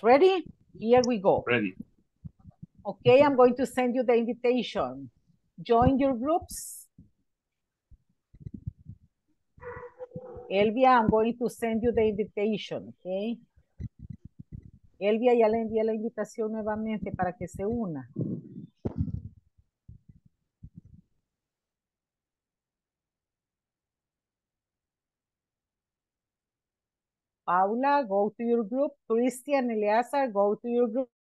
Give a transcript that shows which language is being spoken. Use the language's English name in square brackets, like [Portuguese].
[English] Ready? Here we go. Ready. Okay, I'm going to send you the invitation. Join your groups. Elvia, I'm going to send you the invitation, okay? [Spanish] Elvia, ya le envié la invitación nuevamente para que se una. [English] Paula, go to your group. Christian, Eleazar, go to your group.